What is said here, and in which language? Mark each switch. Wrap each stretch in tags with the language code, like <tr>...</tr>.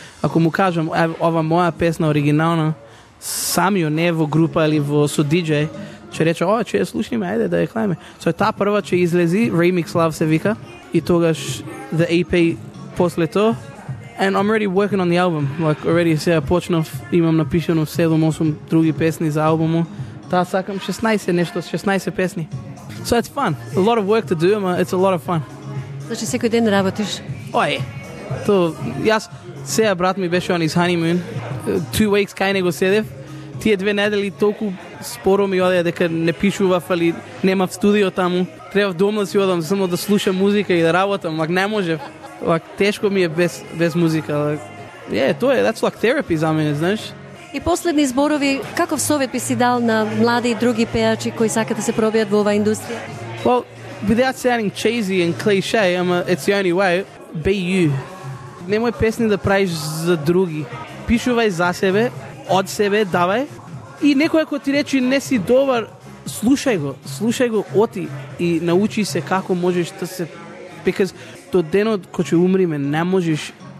<mk>Ако му кажам, ова моја песна оригинална, сам ја не во група или со диджеј, ќе рече, ова ќе ја слушаме, ајде да ја клаеме. Со та прва ќе излези, Remix Love се вика, и тогаш</mk> <en>the EP</en> <mk>после тоа.</mk> <en>And I'm already working on the album. Like, already</en> <mk>се почнав, имам напишено 7-8 други песни за албумот. Таа сакам 16 песни.</mk> <en>So it's fun. A lot of work to do, but it's a lot of fun.</en> <mk>Значи секој ден работиш? Ој. То јас сеа брат ми беше</mk> <en>on his honeymoon. 2 weeks</en> <mk>кај него седев. Тие две недели толку споро ми одеа дека не пишував, али немав студио таму. Треба дома си одам само да слушам музика и да работам, like, не можев. Like, тешко ми е без музика.</mk> <en>Like, yeah,</en> <mk>тоа е,</mk> <en>that's like therapy</en> <mk>за мене, знаеш. И последни зборови, каков совет би си дал на млади и други пејачи кои сакат да се пробијат во оваа индустрија?</mk> <en>Well, without sounding cheesy and cliche, it's the only way, be you.</en> <mk>Немој песни да правиш за други. Пишувај за себе, од себе, давај. И некој ако ти речи не си добар, слушај го оти и научи се како можеш да се... Because до денот кој ќе умриме, не можеш...</mk>